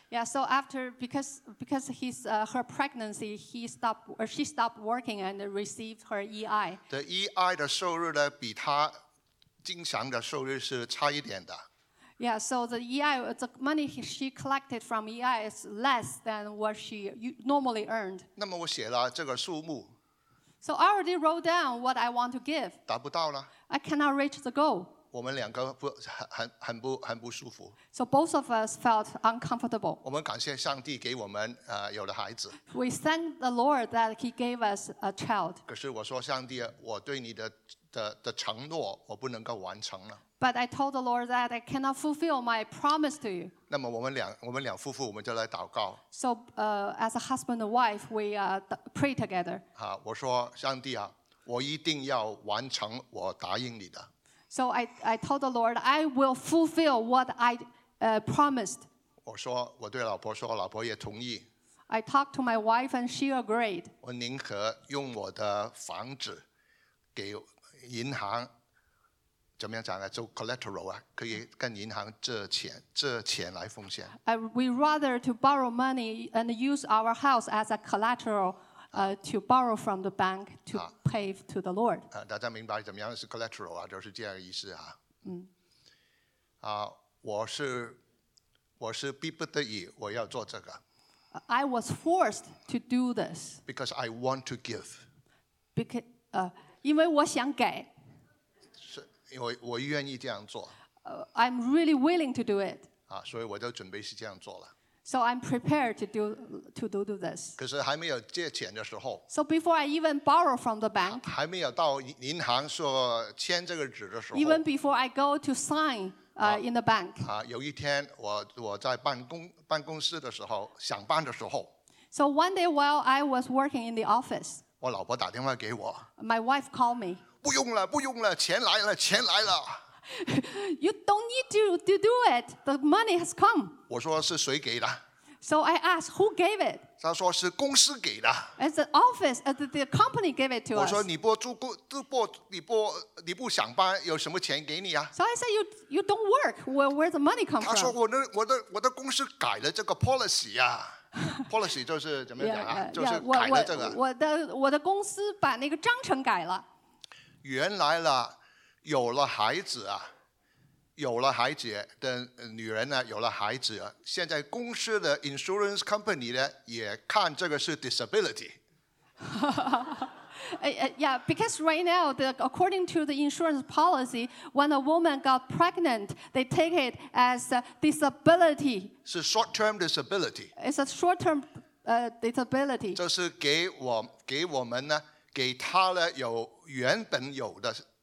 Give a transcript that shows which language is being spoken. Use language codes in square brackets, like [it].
[en] Yeah, so after, because he's, her pregnancy, she stopped working and received her EI. [zh] The EI 的收入呢，比他经常的收入是差一点的。 [en] Yeah, so the EI, the money she collected from EI is less than what she normally earned. [zh] 那么我写了这个数目。 [en] So I already wrote down what I want to give. [zh] 达不到了。 [en] I cannot reach the goal. [zh] 我们两个很不舒服。 [en] So both of us felt uncomfortable. [zh] 我们感谢上帝给我们有了孩子。 [en] We thank the Lord that He gave us a child. [zh] 可是我说上帝，我对你的承诺，我不能够完成了。 [en] But I told the Lord that I cannot fulfill my promise to you. [zh] 那么我们两夫妇，我们就来祷告。 [en] So as a husband and wife, we pray together. [zh] 好，我说上帝啊，我一定要完成我答应你的。 [en] So I told the Lord, I will fulfill what I promised. [zh] 我说，我对老婆说，老婆也同意。 [en] I talked to my wife and she agreed. [zh] 我宁可用我的房子给银行，怎么样讲呢？做 collateral 啊，可以跟银行借钱来奉献。 [en] We rather to borrow money and use our house as a collateral. To borrow from the bank to pay to the Lord. [zh] 大家明白怎么样是 collateral 啊，就是这样的意思啊。嗯。啊，我是逼不得已，我要做这个。 [en] I was forced to do this. Because I want to give. Because [zh] 因为我想给。是，我愿意这样做。 [en] I'm really willing to do it. [zh] 啊，所以我就准备是这样做了。 [en] So I'm prepared to do this. [zh] 可是还没有借钱的时候。 [en] So before I even borrow from the bank. [zh] 还没有到银行说签这个纸的时候。 [en] Even before I go to sign in the bank. [zh] 有一天我在办公室的时候，想办的时候。 [en] So one day while I was working in the office. [zh] 我老婆打电话给我。 [en] My wife called me. [zh] 不用了，不用了，钱来了，钱来了。 [en] You don't need to do it. The money has come. [zh] 我说是谁给的？ [en] So I asked who gave it. [zh] 他说是公司给的。 [en] It's the office, the company gave it to us. [zh] 我说你不想搬，有什么钱给你啊？ [en] So I said you don't work. Where the money come from? [zh] 他说我的公司改了这个 policy 啊。 Policy 就是怎么讲啊？ Yeah, 就是改了这个。我的公司把那个章程改了。原来了。有了孩子啊，有了孩子的女人呢，有了孩子，现在公司的 insurance company 呢，也看这个是 disability。 [en] yeah, because right now, according to the insurance policy, when a woman got pregnant, they take it as a disability. It's a short-term disability. It's a short-term disability. [zh] 就是给我们呢，给她呢有原本有的。